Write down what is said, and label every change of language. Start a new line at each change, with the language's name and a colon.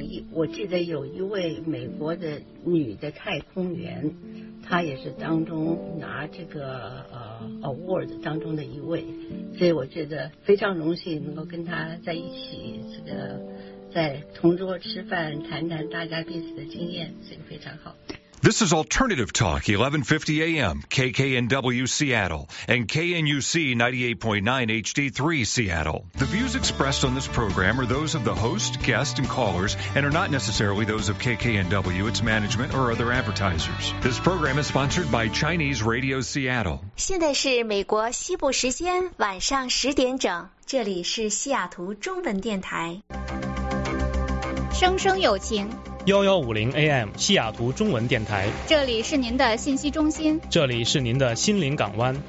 Chinese: 我记得有一位美国的女的太空员，她也是当中拿这个award 当中的一位，所以我觉得非常荣幸能够跟她在一起这个。在同桌吃饭，谈谈大家彼此的经验，这个非常好。
English: This is Alternative Talk, 1150 AM, KKNW Seattle, and KNUC 98.9 HD3 Seattle. The views expressed on this program are those of the host, guest, and callers, and are not necessarily those of KKNW, its management, or other advertisers. This program is sponsored by Chinese Radio Seattle.
Chinese: 现在是美国西部时间晚上十点整，这里是西雅图中文电台。声声有情。 1150 AM 西雅图中文电台，这里是您的信息中心，这里是您的心灵港湾，